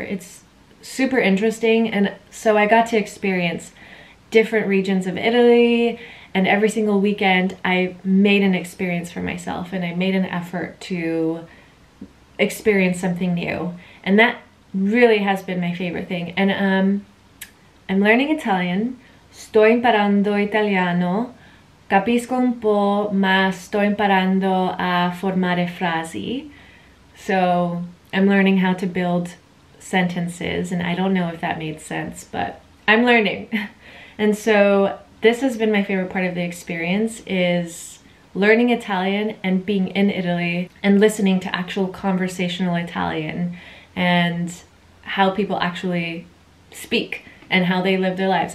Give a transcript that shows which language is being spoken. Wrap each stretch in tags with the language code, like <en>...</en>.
<en>It's super interesting. And so I got to experience different regions of Italy, and every single weekend I made an experience for myself and I made an effort to experience something new. And that really has been my favorite thing. And I'm learning Italian.</en> <it>Sto imparando italiano. Capisco un po', ma sto imparando a formare frasi.</it> <en>So I'm learning how to build sentences, and I don't know if that made sense, but I'm learning. And so this has been my favorite part of the experience, is learning Italian and being in Italy and listening to actual conversational Italian and how people actually speak and how they live their lives.</en>